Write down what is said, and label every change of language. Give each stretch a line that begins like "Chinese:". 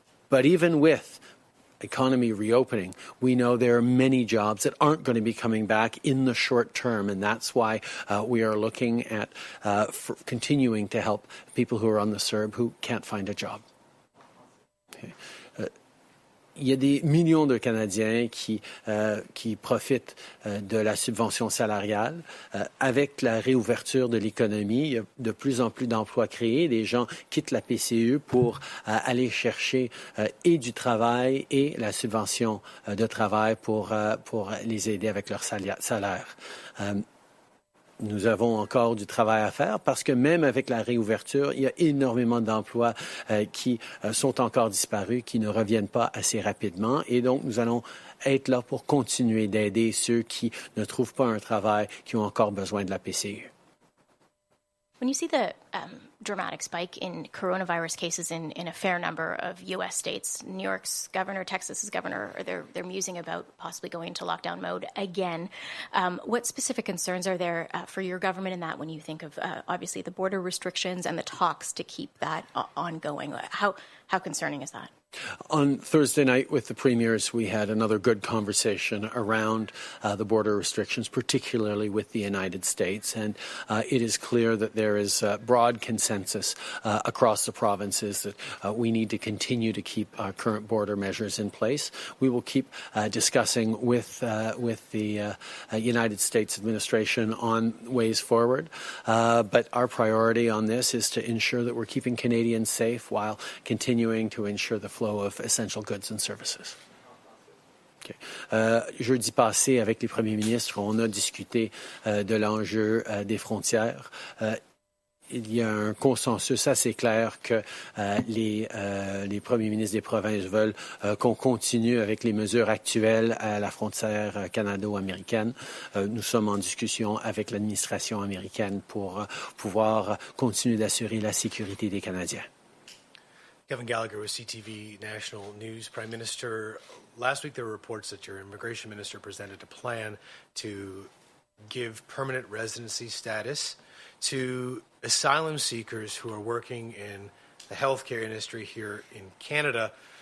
English: But even with economy reopening, we know there are many jobs that aren't going to be coming back in the short term, and that's why we are looking at continuing to help people who are on the CERB who can't find a job.
French: Il y a des millions de Canadiens qui profitent de la subvention salariale. Avec la réouverture de l'économie, il y a de plus en plus d'emplois créés. Des gens quittent la PCU pour aller chercher et du travail et la subvention de travail pour les aider avec leur salaire. Nous avons encore du travail à faire parce que même avec la réouverture, il y a énormément d'emplois qui sont encore disparus, qui ne reviennent pas assez rapidement. Et donc, nous allons être là pour continuer d'aider ceux qui ne trouvent pas un travail, qui ont encore besoin de la PCU.
English: When you see the dramatic spike in coronavirus cases in a fair number of U.S. states, New York's governor, Texas's governor, they're musing about possibly going into lockdown mode again. What specific concerns are there for your government in that when you think of, obviously, the border restrictions and the talks to keep that ongoing? How concerning is that? On Thursday night with the premiers, we had another good conversation around the border restrictions, particularly with the United States. And it is clear that there is broad consensus across the provinces that we need to continue to keep our current border measures in place. We will keep discussing with the United States administration on ways forward. But our priority on this is to ensure that we're keeping Canadians safe while continuing to ensure the flow of essential goods and services. Okay.
French: Jeudi passé, avec les premiers ministres, on a discuté de l'enjeu des frontières. Il y a un consensus assez clair que les premiers ministres des provinces veulent qu'on continue avec les mesures actuelles à la frontière canado-américaine. Nous sommes en discussion avec l'administration américaine pour pouvoir continuer d'assurer la sécurité des Canadiens.
English: Kevin Gallagher with CTV National News. Prime Minister, last week there were reports that your immigration minister presented a plan to give permanent residency status to asylum seekers who are working in the healthcare industry here in Canada.